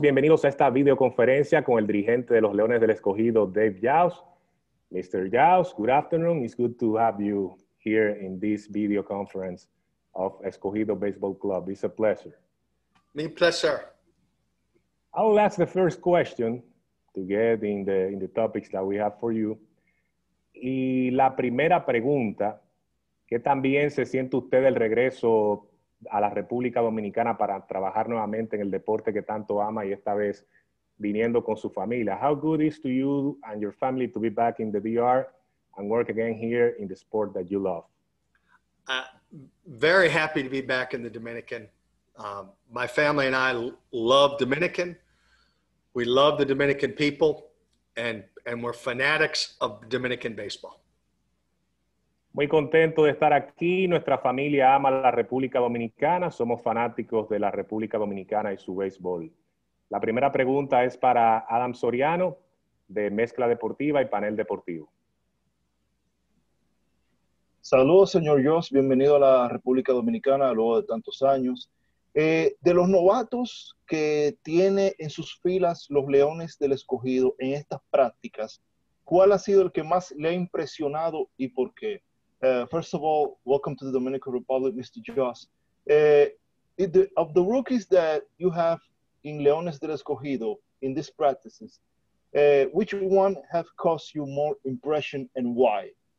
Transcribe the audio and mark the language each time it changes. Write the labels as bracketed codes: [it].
[es] Bienvenidos a esta videoconferencia con el dirigente de los Leones del Escogido, Dave Yauss. [en] Mr. Yauss, good afternoon. It's good to have you here in this video conference of Escogido Baseball Club. It's a pleasure. My pleasure. I will ask the first question to get in the topics that we have for you. [es] Y la primera pregunta, ¿qué también se siente usted del regreso a la República Dominicana para trabajar nuevamente en el deporte que tanto ama y esta vez viniendo con su familia? [en] How good is to you and your family to be back in the DR and work again here in the sport that you love? Very happy to be back in the Dominican. My family and I love Dominican. We love the Dominican people and we're fanatics of Dominican baseball. [es] Muy contento de estar aquí. Nuestra familia ama la República Dominicana. Somos fanáticos de la República Dominicana y su béisbol. La primera pregunta es para Adam Soriano, de Mezcla Deportiva y Panel Deportivo. Saludos, señor Yauss. Bienvenido a la República Dominicana luego de tantos años. De los novatos que tiene en sus filas los Leones del Escogido en estas prácticas, ¿cuál ha sido el que más le ha impresionado y por qué? [en] First of all, welcome to the Dominican Republic, Mr. Yauss. Of the rookies that you have in Leones del Escogido in these practices, which one have caused you more impression and why?